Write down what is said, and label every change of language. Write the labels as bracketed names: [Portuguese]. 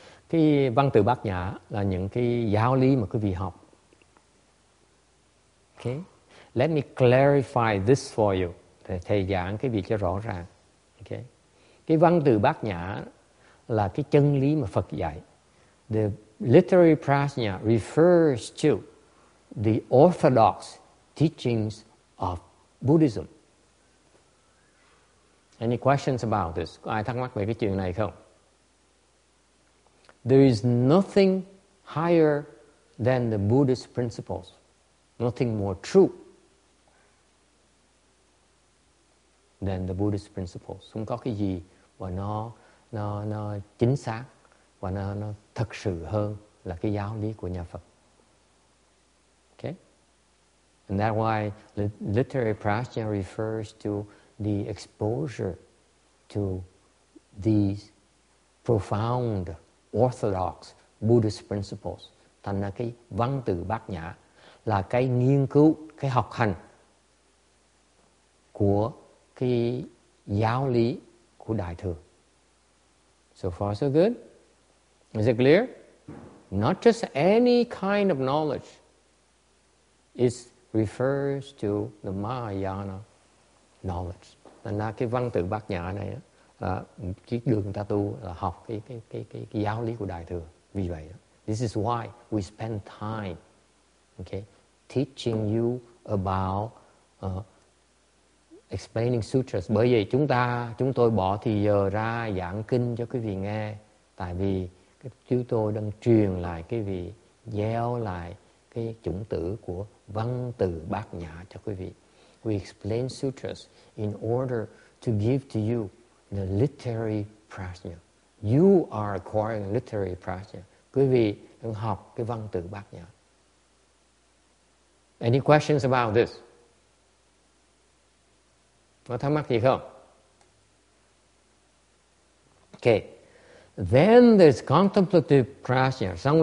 [Vietnamese] Cái văn tự bát nhã là những cái giáo lý mà quý vị học. [English] Okay, let me clarify this for you. [Vietnamese] Thầy giảng cái việc cho rõ ràng. Okay, cái văn tự bát nhã là cái chân lý mà Phật dạy. [English] The literary prajna refers to the orthodox teachings of Buddhism. Any questions about this? [Vietnamese] Có ai thắc mắc về cái chuyện này không? [English] There is nothing higher than the Buddhist principles. Nothing more true than the Buddhist principles. [Vietnamese] Không có cái gì mà nó chính xác và nó thật sự hơn là cái giáo lý của nhà Phật. Okay? [English] And that's why literary prajna refers to the exposure to these profound orthodox Buddhist principles. [Vietnamese] Thành ra cái văn từ bát nhã là cái nghiên cứu, cái học hành của cái giáo lý của Đại Thừa. [English] So far so good? Is it clear? Not just any kind of knowledge. It refers to the Mahayana knowledge. [Vietnamese] Thành ra cái văn từ bát nhã này là cái đường ta tu là học cái giáo lý của Đại Thừa. Vì vậy đó. [English] This is why we spend time, okay, teaching you about explaining sutras. [Vietnamese] Bởi vậy chúng tôi bỏ thì giờ ra giảng kinh cho quý vị nghe, tại vì chúng tôi đang truyền lại quý vị, gieo lại cái chủng tử của văn từ bát nhã cho quý vị. [English] We explain sutras in order to give to you the literary prajna. You are acquiring literary prajna. [Vietnamese] Quý vị đang học cái văn từ bát nhã. [English] Any questions about this? [Vietnamese] Có thắc mắc gì không? [English] Okay. Then there's contemplative prajna.